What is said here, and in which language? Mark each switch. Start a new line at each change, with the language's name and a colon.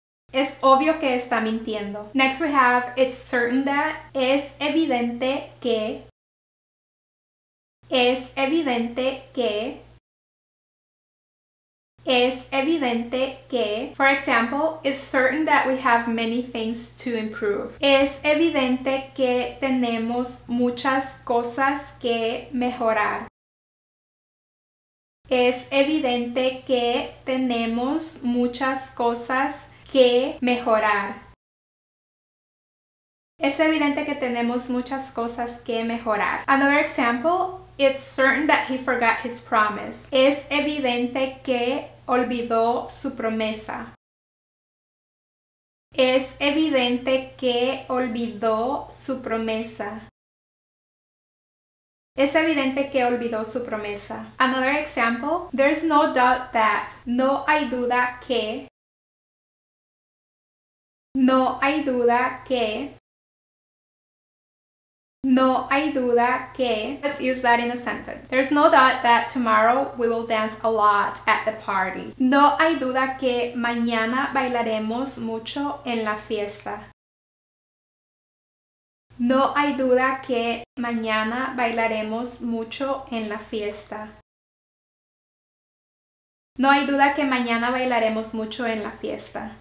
Spanish: Es obvio que está mintiendo.
English: Next we have, it's certain that.
Spanish: Es evidente que. Es evidente que. Es evidente que.
English: For example, it's certain that we have many things to improve.
Spanish: Es evidente que tenemos muchas cosas que mejorar. Es evidente que tenemos muchas cosas que mejorar. Es evidente que tenemos muchas cosas que mejorar.
English: Another example, it's certain that he forgot his promise.
Spanish: Es evidente que olvidó su promesa. Es evidente que olvidó su promesa. Es evidente que olvidó su promesa.
English: Another example, there's no doubt that.
Spanish: No hay duda que. No hay duda que. No hay duda que.
English: Let's use that in a sentence. There's no doubt that tomorrow we will dance a lot at the party.
Spanish: No hay duda que mañana bailaremos mucho en la fiesta. No hay duda que mañana bailaremos mucho en la fiesta. No hay duda que mañana bailaremos mucho en la fiesta.